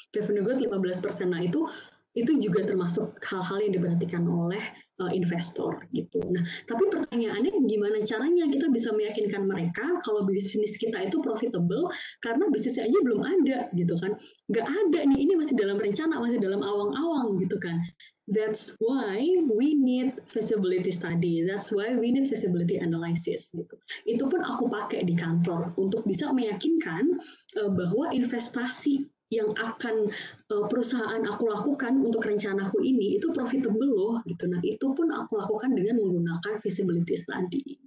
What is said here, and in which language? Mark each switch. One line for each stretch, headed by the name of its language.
Indonesian: Revenue growth 15%, nah itu juga termasuk hal-hal yang diperhatikan oleh investor gitu. Nah, tapi pertanyaannya gimana caranya kita bisa meyakinkan mereka kalau bisnis kita itu profitable, karena bisnisnya aja belum ada gitu kan. Nggak ada nih, ini masih dalam rencana, masih dalam awang-awang gitu kan.
English: That's why we need feasibility study. That's why we need feasibility analysis.
Indonesian: Gitu. Itu pun aku pakai di kantor untuk bisa meyakinkan bahwa investasi yang akan perusahaan aku lakukan untuk rencanaku ini itu profitable loh. Gitu. Nah, itu pun aku lakukan dengan menggunakan feasibility study.